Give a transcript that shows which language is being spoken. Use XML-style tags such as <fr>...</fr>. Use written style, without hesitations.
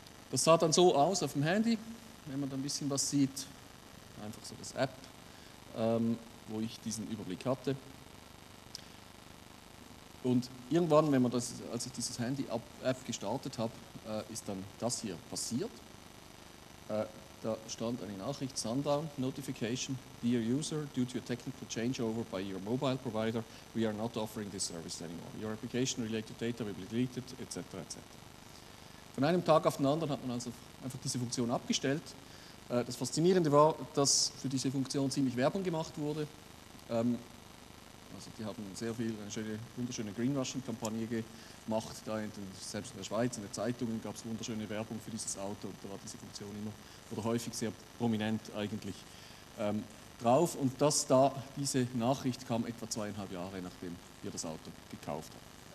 <de>Das sah dann so aus auf dem Handy, wenn man da ein bisschen was sieht. Einfach so das App, wo ich diesen Überblick hatte. Und irgendwann, wenn man das, als ich dieses Handy-App gestartet habe, ist dann das hier passiert. Da stand eine Nachricht,</de> <en>Sundown Notification, Dear User, due to a technical changeover by your mobile provider, we are not offering this service anymore. Your application related data will be deleted, etc. etc.</en> <de>Von einem Tag auf den anderen hat man also einfach diese Funktion abgestellt. Das Faszinierende war, dass für diese Funktion ziemlich Werbung gemacht wurde. Also die haben sehr viel, eine schöne, wunderschöne Greenwashing-Kampagne gemacht, da in den, selbst in der Schweiz, in den Zeitungen gab es wunderschöne Werbung für dieses Auto, und da war diese Funktion immer oder häufig sehr prominent eigentlich drauf, und dass da diese Nachricht kam etwa 2,5 Jahre, nachdem wir das Auto gekauft haben.</de>